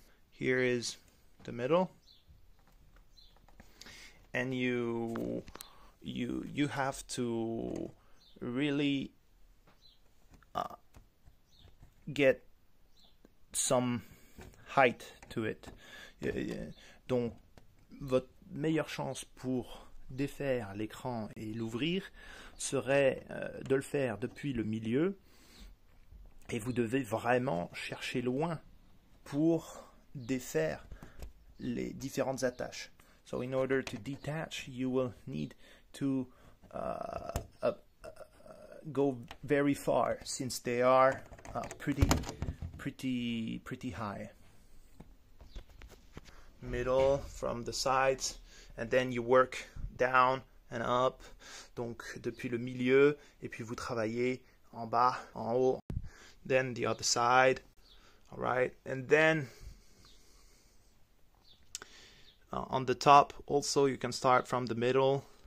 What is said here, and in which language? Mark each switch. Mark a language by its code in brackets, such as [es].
[en] Here is the middle. And you have to really get some height to it. [fr] Donc votre meilleure chance pour défaire l'écran et l'ouvrir serait de le faire depuis le milieu et vous devez vraiment chercher loin pour défaire les différentes attaches. [en] So in order to detach, you will need to go very far since they are pretty high. Middle from the sides and then you work down and up, [fr] donc depuis le milieu, et puis vous travaillez en bas, en haut, [en] then the other side, all right, and then on the top, also you can start from the middle.